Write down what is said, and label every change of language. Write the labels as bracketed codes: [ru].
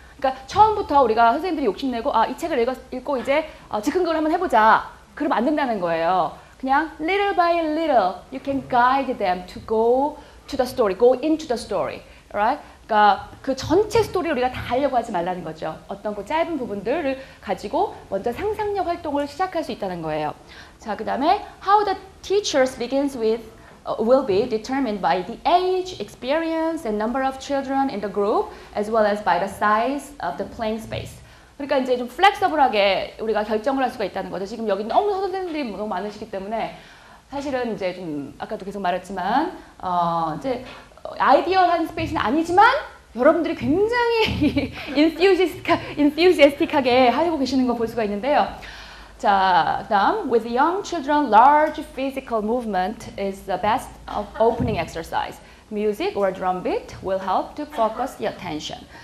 [ko] 그러니까 처음부터 우리가 선생님들이 욕심내고 아, 이 책을 읽고 이제 즉흥극을 한번 해보자. 그러면 안 된다는 거예요. [en] 그냥 little by little you can guide them to go to the story, go into the story. Right? [ko] 그러니까 그 전체 스토리를 우리가 다 하려고 하지 말라는 거죠. 어떤 그 짧은 부분들을 가지고 먼저 상상력 활동을 시작할 수 있다는 거예요. [en] 자, [ko] 그 다음에 [en] how the teachers begins with will be determined by the age, experience, and number of children in the group as well as by the size of the playing space. [ko] 그러니까 이제 좀 플렉서블하게 우리가 결정을 할 수가 있다는 거죠. 지금 여기 너무 선생님들이 너무 많으시기 때문에 사실은 이제 좀 아까도 계속 말했지만 이제 아이디얼한 스페이스는 아니지만 여러분들이 굉장히 enthusiastic하게 하고 계시는 거 볼 수가 있는데요. [en] 자, 다음 with young children, large physical movement is the best opening exercise. Music or drum beat will help to focus the attention.